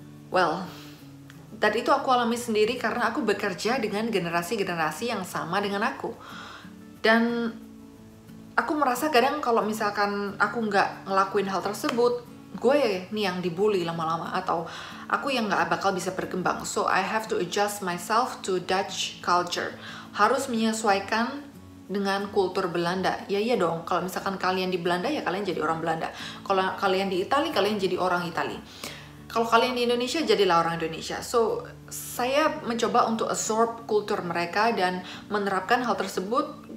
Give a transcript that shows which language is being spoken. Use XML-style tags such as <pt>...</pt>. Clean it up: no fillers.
<id>Well, dan itu aku alami sendiri karena aku bekerja dengan generasi-generasi yang sama dengan aku. Dan aku merasa kadang kalau misalkan aku nggak ngelakuin hal tersebut, gue nih yang dibully lama-lama, atau aku yang nggak bakal bisa berkembang.</id> <en>So, I have to adjust myself to Dutch culture.</en> <id>Harus menyesuaikan dengan kultur Belanda. Ya iya dong, kalau misalkan kalian di Belanda, ya kalian jadi orang Belanda. Kalau kalian di Itali, kalian jadi orang Itali. Kalau kalian di Indonesia, jadilah orang Indonesia. So, saya mencoba untuk absorb kultur mereka dan menerapkan hal tersebut.</id>